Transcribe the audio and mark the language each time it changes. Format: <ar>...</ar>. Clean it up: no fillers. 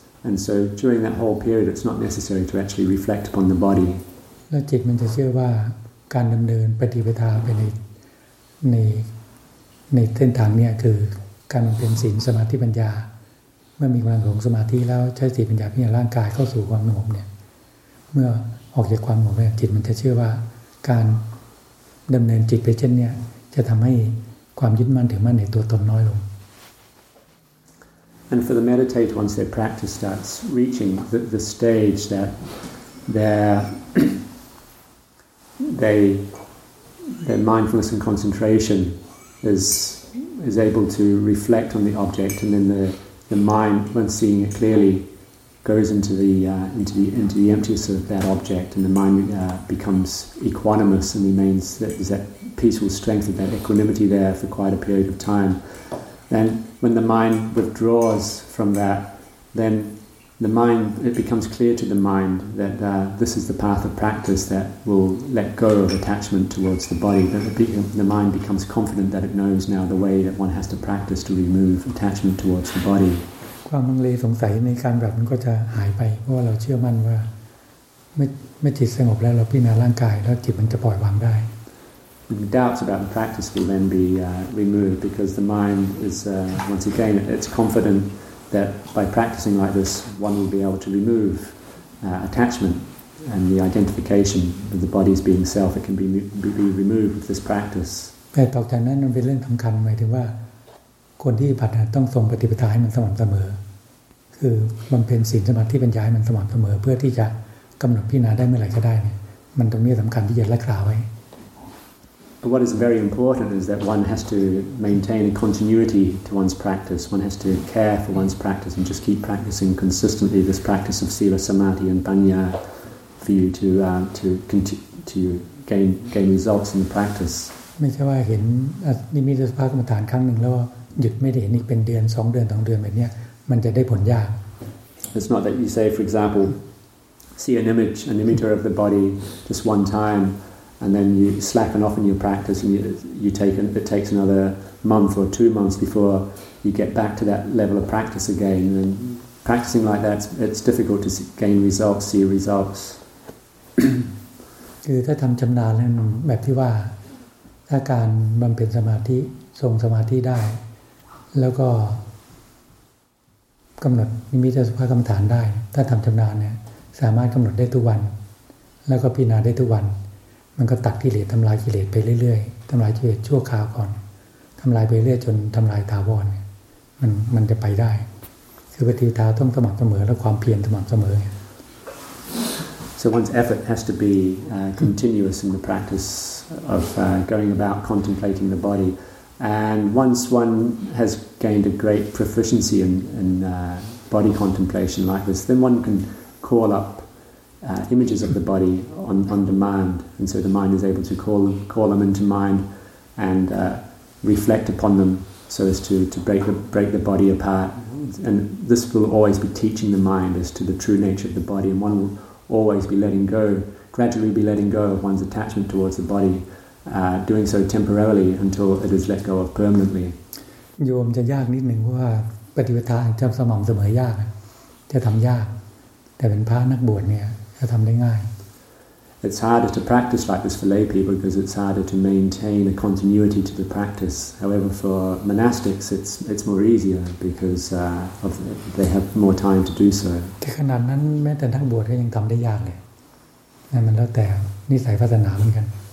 <en>And so during that whole period, it's not necessary to actually reflect upon the body.</en> <th>แล้วจิตมันจะเชื่อว่าการดำเนินปฏิปทาไปในเส้นทางเนี่ยคือการเป็นศีลสมาธิปัญญาเมื่อมีความสงบสมาธิแล้วใช้ศีลปัญญาพิจารณาร่างกายเข้าสู่ความสงบเนี่ยเมื่อออกจากความสงบจิตมันจะเชื่อว่าการดำเนินจิตไปเช่นเนี่ยจะทำให้ความยึดมั่นถือมั่นในตัวตนน้อยลง</th> <en>And for the meditator once their practice starts reaching the stage that their mindfulness and concentration is able to reflect on the object, and then the mind, once seeing it clearly, goes into the emptiness of that object, and the mind becomes equanimous and remains that peaceful strength of that equanimity there for quite a period of time. Then, when the mind withdraws from that, then the mind it becomes clear to the mind that this is the path of practice that will let go of attachment towards the body. That the mind becomes confident that it knows now the way that one has to practice to remove attachment towards the body.</en> <th>ความลังเลสงสัยในการปฏิบัติมันก็จะหายไปเพราะว่าเราเชื่อมั่นว่าไม่จิตสงบแล้วเราพิจารณาร่างกายแล้วจิตมันจะปล่อยวางได้</th> <en>The doubts about the practice will then be removed because the mind is once again it's confident that by practicing like this one will be able to remove attachment and the identification of the body as being self it can be removed with this practice</en> <th>แต่ต่อจากนั้นมันเป็นเรื่องสำคัญหมายถึงว่าคนที่ปฏิบัติต้องทรงปฏิปทาให้มันสม่ำเสมอคือมันเป็นศีลสมาธิปัญญาให้มันสม่ำเสมอเพื่อที่จะกำหนดพิจารณาได้เมื่อไหร่ก็ได้เนี่ยมันตรงนี้สำคัญที่จะรักษาไว้</th> <en>But what is very important is that one has to maintain a continuity to one's practice. One has to care for one's practice and just keep practicing consistently this practice of sila, samadhi, and panya for you to gain results in the practice.</en> <th>ไม่ใช่ว่าเห็นนิมิตสภาวะกรรมฐานครั้งหนึ่งแล้วหยุดไม่ได้เห็นอีกเป็นเดือน2เดือน2เดือนแบบนี้มันจะได้ผลยาก</th> <en>It's not that you say, for example, see an imita of the body just one time. And then you slacken off in your practice, and it takes another month or 2 months before you get back to that level of practice again. And practicing like that, it's difficult to gain results, see results.</en> <th>คือถ้าทำชำนาญแบบที่ว่าถ้าการบำเพ็ญสมาธิทรงสมาธิได้แล้วก็กำหนดนิมิตสภาวะกรรมฐานได้ถ้าทำชำนาญเนี่ยสามารถกำหนดได้ทุกวันแล้วก็พิจารณาได้ทุกวันมันก็ตัดกิเลสทำลายกิเลสไปเรื่อยๆทำลายกิเลสชั่วคราวก่อนทำลายไปเรื่อยจนทำลายถาวรมันจะไปได้คือปฏิปทาต้องสม่ำเสมอและความเพียรสม่ำเสม</th> <en>อ So one's effort has to be continuous in the practice of going about contemplating the body and once one has gained a great proficiency in body contemplation like this, then one can call up images of the body on demand, and so the mind is able to call them into mind and reflect upon them, so as to break the body apart. And this will always be teaching the mind as to the true nature of the body, and one will always be gradually letting go of one's attachment towards the body, doing so temporarily until it is let go of permanently.</en> <th>โยมจะยากนิดนึงว่าปฏิปทาจำสม่ำเสมอยากจะทำยากแต่เป็นพระนักบวชเนี่ยจะทำได้ง่าย</th> <en>It's harder to practice like this for lay people because it's harder to maintain a continuity to the practice. However, for monastics, it's more easier because they have more time to do so.</en> <th>แต่ขนาดนั้นแม้แต่นักบวชก็ยังทำได้ยากเลยนั่นมันแล้วแต่นิสัยศาสนาเหมือนกัน</th>